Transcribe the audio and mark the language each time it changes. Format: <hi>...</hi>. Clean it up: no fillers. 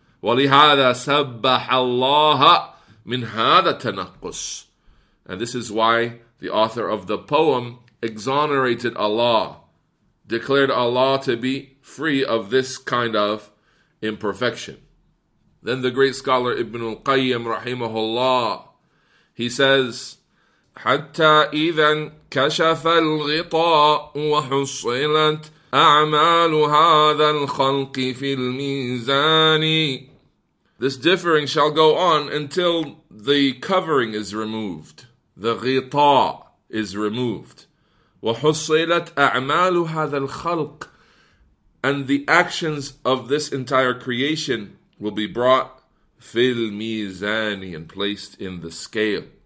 <ar>وَلِهَذَا سَبَّحَ اللَّهَ مِنْ هَذَا تَنَقُّسٌ.</ar> <en>And this is why the author of the poem exonerated Allah, declared Allah to be free of this kind of imperfection. Then the great scholar Ibn al-Qayyim rahimahullah, he says,</en> <ar>حَتَّى إِذًا كَشَفَ الْغِطَاءُ وَحُصِّلَتْ أَعْمَالُ هَذَا الْخَلْقِ فِي الْمِيزَانِ.</ar> <en>This differing shall go on until the covering is removed, the غِطَاء is removed.</en> <ar>وَحُصِّلَتْ أَعْمَالُ هَذَا الْخَلْقِ,</ar> <en>and the actions of this entire creation will be brought</en> <ar>فِي الْمِيزَانِ,</ar> <en>and placed in the scale.</en>